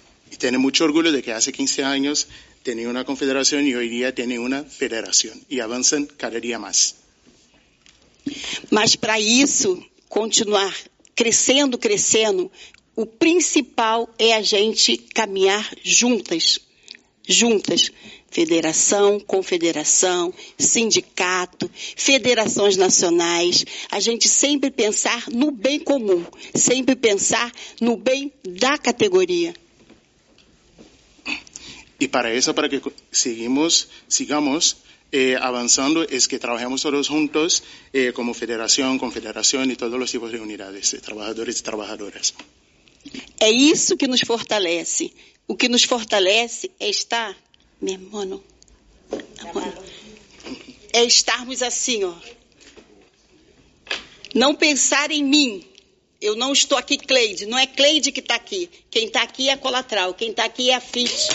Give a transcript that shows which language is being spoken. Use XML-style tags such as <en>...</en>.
<pt>E tenho muito orgulho de que há 15 anos</pt> <es>tenía una confederación y hoy día tiene una federación y avanzan cada día más.</es> <pt>Mas para isso continuar crescendo, o principal é a gente caminhar juntas. Federação, confederação, sindicato, federações nacionais. A gente sempre pensar no bem comum, sempre pensar no bem da categoria.</pt> <es>Y para eso, para que sigamos avanzando es que trabajemos todos juntos como federación, confederación y todos los tipos de unidades de trabajadores y trabajadoras.</es> <pt>É isso que nos fortalece. O que nos fortalece é estar, meu irmão, é estarmos assim, ó. Não pensar em mim. Eu não estou aqui, Cleide. Não é Cleide que está aqui. Quem está aqui é a Colatral. Quem está aqui é a FIT.</pt>